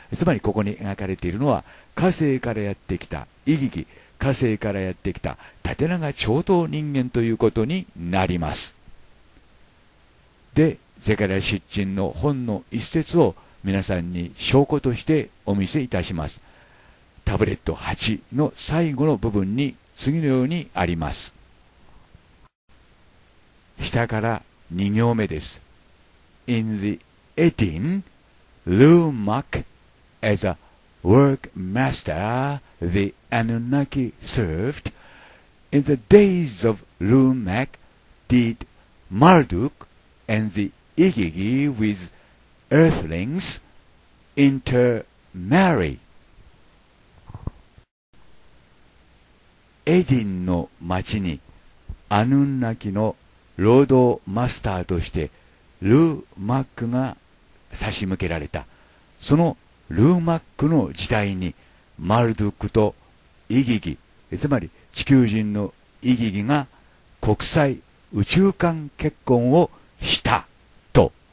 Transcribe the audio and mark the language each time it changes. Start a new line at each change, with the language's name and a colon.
Japanese: つまりここに描かれているのは火星からやってきた異議器、火星からやってきた縦長超等人間ということになります。で、ゼカリア出陳の本の一節を皆さんに証拠としてお見せいたします。タブレット8の最後の部分に次のようにあります。下から2行目です。
English: In the 18, Lou Mack as a workmaster the Anunnaki served. In the days of Lou Mack did Marduk and the Igigi with earthlings intermarry.
Japanese: エディンの町にアヌンナキの労働マスターとしてルー・マックが差し向けられた。そのルー・マックの時代にマルドックとイギギ、つまり地球人のイギギが国際宇宙間結婚をしたと。